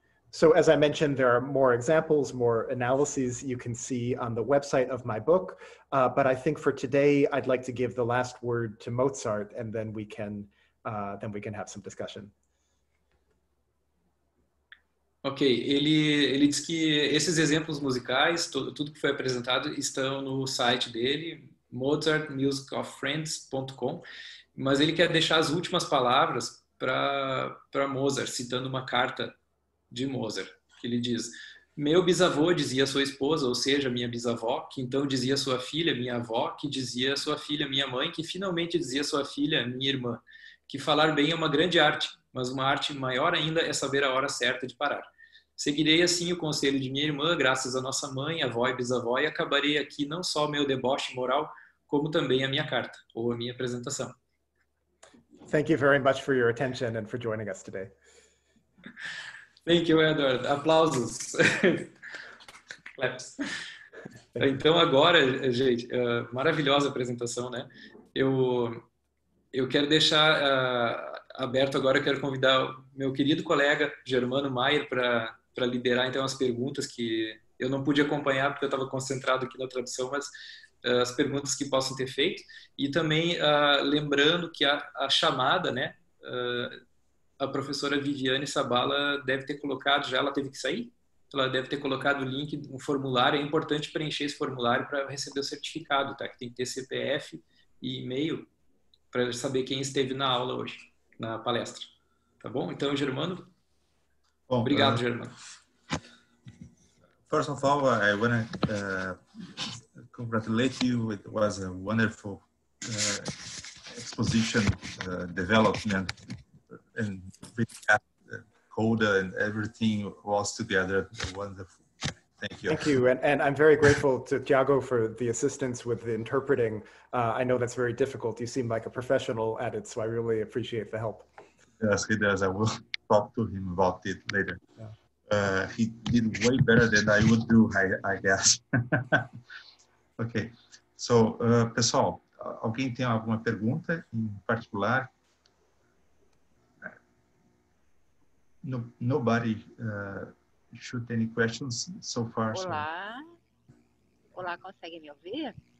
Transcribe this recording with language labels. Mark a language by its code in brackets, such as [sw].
[en] So as I mentioned, there are more examples, more analyses you can see on the website of my book. But I think for today, I'd like to give the last word to Mozart, and then we can have some discussion. [pt] Okay, ele diz que esses exemplos musicais, tudo que foi apresentado, estão no site dele, mozartmusicoffriends.com. Mas ele quer deixar as últimas palavras para Mozart, citando uma carta de Mozart, que ele diz: meu bisavô dizia à sua esposa, ou seja, minha bisavó, que então dizia à sua filha, minha avó, que dizia à sua filha, minha mãe, que finalmente dizia à sua filha, minha irmã, que falar bem é uma grande arte, mas uma arte maior ainda é saber a hora certa de parar. Seguirei assim o conselho de minha irmã, graças à nossa mãe, avó e bisavó, e acabarei aqui não só meu deboche moral, como também a minha carta, ou a minha apresentação. [en] Thank you very much for your attention and for joining us today. Thank you, Edward. Applausos. Claps. [pt] Então, agora, gente, maravilhosa apresentação, né? Eu quero deixar aberto agora, eu quero convidar meu querido colega Germano Maier para liderar, então, as perguntas que eu não pude acompanhar porque eu estava concentrado aqui na tradução, mas as perguntas que possam ter feito. E também lembrando que a chamada, né? A professora Viviane Sabala deve ter colocado já, ela teve que sair? ela deve ter colocado o link, um formulário, é importante preencher esse formulário para receber o certificado, tá? Que tem que ter CPF e e-mail para saber quem esteve na aula hoje, na palestra. Tá bom? Então, Germano? Bom, obrigado, Germano. [en] First of all, I want to congratulate you. It was a wonderful exposition development and Coda and everything was together. Wonderful. Thank you. Thank you. And I'm very grateful to Thiago for the assistance with the interpreting. I know that's very difficult. You seem like a professional at it, so I really appreciate the help. Yes, he does. I will talk to him about it later. Yeah. He did way better than I would do, I guess. Okay. [pt] So, pessoal, alguém tem alguma pergunta em particular? [en] No, nobody shoot any questions so far. [pt] Olá. [en] So. [pt] Olá, consegue me ouvir?